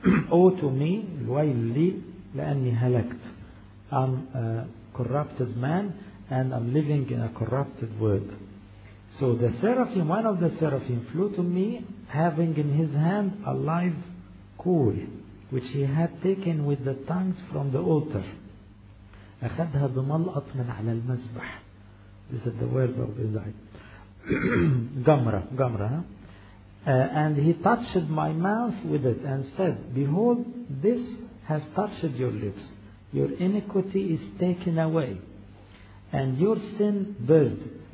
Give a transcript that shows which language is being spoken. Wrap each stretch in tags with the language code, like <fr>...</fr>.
<en>Woe to me,</en> <ar>wayli, la'anni halakt.</ar> <en>I'm a corrupted man and I'm living in a corrupted world. So the seraphim, one of the seraphim flew to me having in his hand a live coal, which he had taken with the tongues from the altar.</en> <ar>أخذها بملقط من على المسبح.</ar> <en>This is the word of Isaiah. Gamra. And he touched my mouth with it and said, behold, this has touched your lips. Your iniquity is taken away and your sin burned.</en>